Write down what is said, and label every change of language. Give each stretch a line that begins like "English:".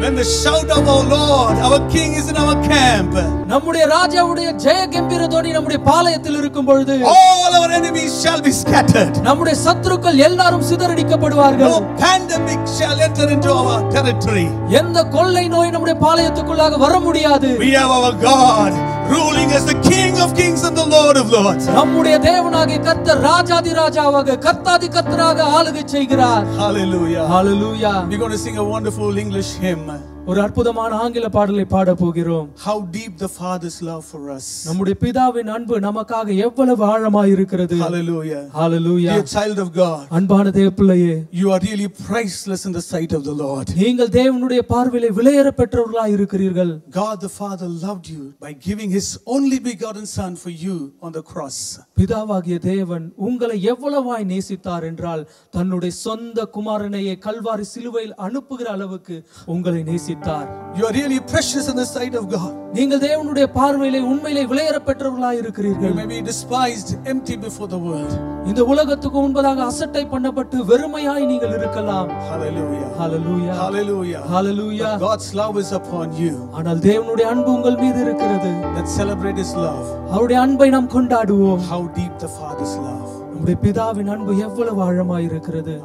English: When the shout of our Lord, our King is in our camp.
Tamil: நம்முடைய ராஜாவுடைய ஜெய கம்பீரத்தோடு நம்முடைய பாளையத்தில் இருக்கும் பொழுது
English: all our enemies shall be scattered.
Tamil: நம்முடைய சத்துருக்கள் எல்லாரும் சிதறடிக்கப்படுவார்கள்.
English: No pandemic shall enter into our territory.
Tamil: எந்த கொள்ளை நோய் நம்முடைய பாளையத்துக்குள்ளாக வர முடியாது.
English: We have our God ruling as the King of Kings and the Lord of Lords.
Tamil: நம்முடைய தேவனாகிய கர்த்தர் ராஜாதி ராஜாவாக கர்த்தாதி கர்த்தராக ஆளுகை செய்கிறார். Hallelujah. Hallelujah.
English: We're going to sing a wonderful English hymn.
Tamil: ஒரு அற்புதமான ஆங்கில பாடலை பாட போகிறோம்.
English: How deep the Father's love for us.
Tamil: நம்முடைய பிதாவின் அன்பு நமக்காக எவ்வளவு ஆழமாய் இருக்கிறது. Hallelujah. Hallelujah.
English: Dear child of God.
Tamil: அன்பான தேவப்பிள்ளையே.
English: You are really priceless in the sight of the Lord.
Tamil: நீங்கள் தேவனுடைய பார்வையிலே விலையேறப்பெற்றவர்களாய் இருக்கிறீர்கள்.
English: God the Father loved you by giving his only begotten son for you on the cross.
Tamil: பிதாவாகிய தேவன் உங்களை எவ்வளவாய் நேசித்தார் என்றால் தன்னுடைய சொந்த குமாரனையே கல்வாரி சிலுவையில் அனுப்புகிற அளவுக்கு உங்களை நேசி.
English: You are really precious in the sight of God.
Tamil: நீங்கள் தேவனுடைய பார்வையிலே உண்மையிலே விலையேறப்பெற்றவர்களாய் இருக்கிறீர்கள்.
English: You may be despised, empty before the world.
Tamil: இந்த உலகத்துக்கு முன்பதாக அசட்டை பண்ணப்பட்டு வெறுமையாய் நீங்கள் இருக்கலாம். Hallelujah. Hallelujah. Hallelujah. Hallelujah.
English: God's love is upon you.
Tamil: ஆனால் தேவனுடைய அன்பு உங்கள் மீது இருக்கிறது.
English: Let's celebrate his love.
Tamil: அவருடைய அன்பை நாம் கொண்டாடுவோம்.
English: How deep the Father's love.
Tamil: நம்முடைய பிதாவின் அன்பு எவ்வளவு ஆழமாய் இருக்கிறது.